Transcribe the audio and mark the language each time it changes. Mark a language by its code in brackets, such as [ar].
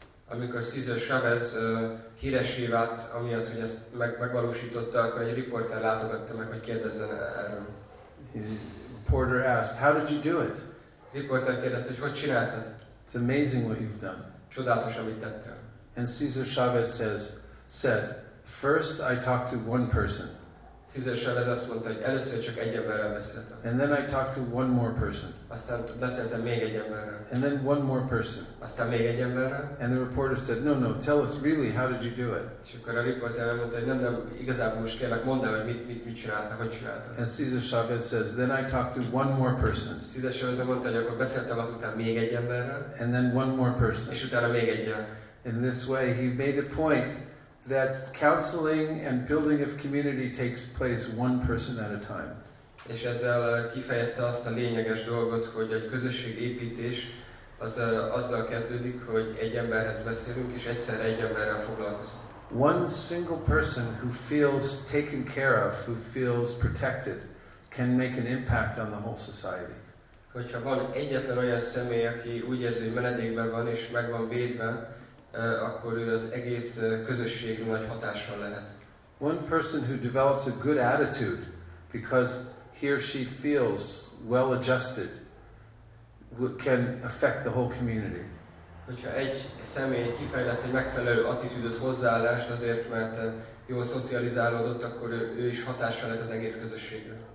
[hu] Amikor Cesar Chavez híressé vált, amiatt, hogy ezt megvalósította, akkor egy riporter látogatta meg, hogy kérdezzen erről. [en] The reporter asked, "How did you do it?" [hu] A riporter kérdezte, hogy hogy csináltad? [en] It's amazing what you've done. [hu] Csodálatos, amit tettél. [en] And Cesar Chavez said, first I talked to one person. [hu] Tízesen ez azt mondta, hogy először csak egy emberrel beszéltem. [en] And then I talked to one more person. [hu] Aztán beszéltem még egy emberrel. [en] And then one more person. [hu] Aztán még egy emberrel. [en] And the reporter said, no, no, tell us really, how did you do it? [hu] És akkor a riporter elmondta, hogy nem, nem, igazából most kérlek, mondd el, hogy mit csináltak, hogy csináltak. [en] And Cesar Chavez says, then I talked to one more person. [hu] Tízesen ez azt mondta, hogy akkor beszéltem azután még egy emberrel. [en] And then one more person. [hu] És utána még egy emberrel. [en] In this way, he made a point that counseling and building of community takes place one person at a time. [hu] És ezzel kifejezte azt a lényeges dolgot, hogy egy közösség építés azzal kezdődik, hogy egy emberhez beszélünk és egyszerre egy emberrel foglalkozunk. [en] One single person who feels taken care of, who feels protected, can make an impact on the whole society. [hu] Hogyha van egyetlen olyan személy, aki úgy érzi, hogy menedékben van és meg van védve, akkor ő az egész közösség nagy hatással lehet. [en] One person who develops a good attitude because he or she feels well adjusted can affect the whole community. [hu] Hogyha egy személy kifejleszt egy megfelelő attitűdöt, hozzáállást azért, mert jól szocializálódott, akkor ő is hatással lehet az egész közösségre.